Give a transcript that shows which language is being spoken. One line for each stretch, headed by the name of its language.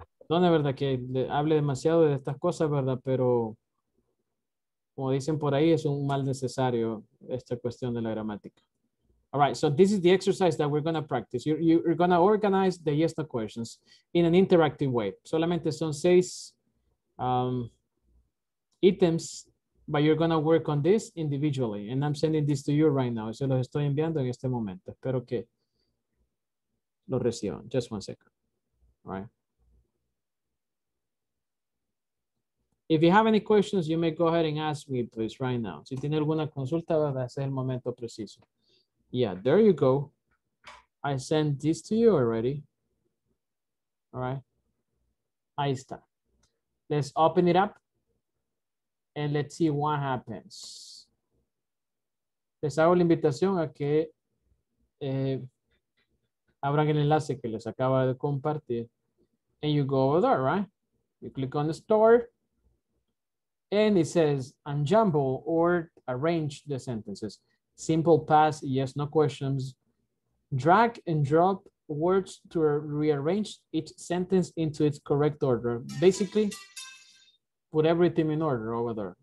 Spanish: Donde, verdad, que hable demasiado de estas cosas, verdad, pero como dicen por ahí, es un mal necesario esta cuestión de la gramática.
English: All right, so this is the exercise that we're going to practice. You're going to organize the yes-no questions in an interactive way.
Spanish: Solamente son 6 items,
English: but you're going to work on this individually. And I'm sending this to you right now.
Spanish: Se los estoy enviando en este momento. Espero que lo reciban.
English: Just 1 second. All right. If you have any questions, you may go ahead and ask me, please, right now.
Spanish: Si tiene alguna consulta, ese es el momento preciso.
English: Yeah, there you go. I sent this to you already. All right.
Spanish: Ahí está.
English: Let's open it up. And let's see what happens.
Spanish: Les hago la invitación a que abran el enlace que les acaba de compartir.
English: And you go over there, right? You click on the store. And it says unjumble or arrange the sentences. Simple past, yes, no questions. Drag and drop words to rearrange each sentence into its correct order. Basically, put everything in order over there.